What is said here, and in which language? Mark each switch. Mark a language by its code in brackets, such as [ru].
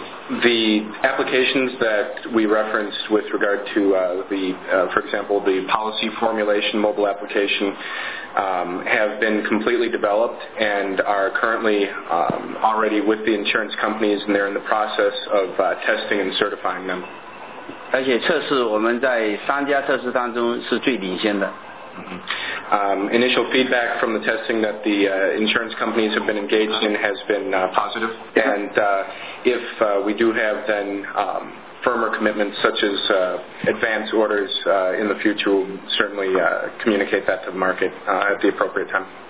[en] The applications that we referenced with regard to for example, the policy formulation mobile application have been completely developed and are currently already with the insurance companies, and they're in the process of testing and certifying them. [zh] 而且测试我们在三家测试当中是最领先的。 [en] Initial feedback from the testing that the insurance companies have been engaged in has been positive, and if we do have then firmer commitments such as advance orders in the future, we'll certainly communicate that to the market at the appropriate time.